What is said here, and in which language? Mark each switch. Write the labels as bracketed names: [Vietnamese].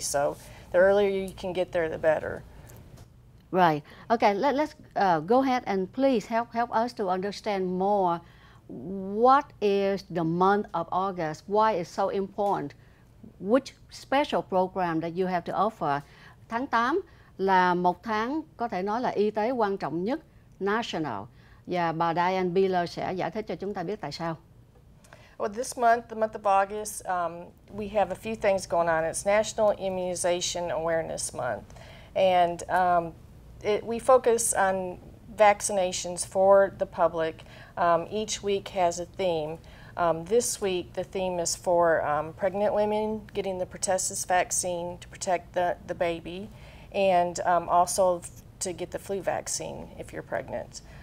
[English] So the earlier you can get there, the better. Right. Okay. Let's go ahead and please help us to understand more. What is the month of August? Why is so important? Which special program that you have to offer? [Vietnamese] Tháng 8 là một tháng có thể nói là y tế quan trọng nhất national. Và bà Diane Beeler sẽ giải thích cho chúng ta biết tại sao. [English] Well, this month, the month of August, we have a few things going on. It's National Immunization Awareness Month. And we focus on vaccinations for the public. Each week has a theme. This week, the theme is for pregnant women getting the pertussis vaccine to protect the baby, and also to get the flu vaccine if you're pregnant.